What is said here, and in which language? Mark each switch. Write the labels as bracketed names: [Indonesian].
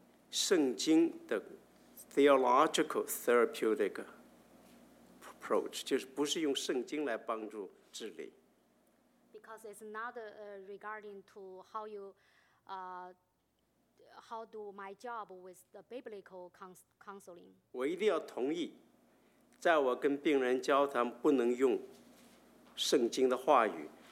[Chinese] 因为我不是考的所谓的用圣经的 [English] theological therapeutic approach， [Chinese] 就是不是用圣经来帮助治理。 [English] Because it's not regarding to how you how do my job with the biblical counseling。 [Chinese] 我一定要同意，在我跟病人交谈，不能用圣经的话语。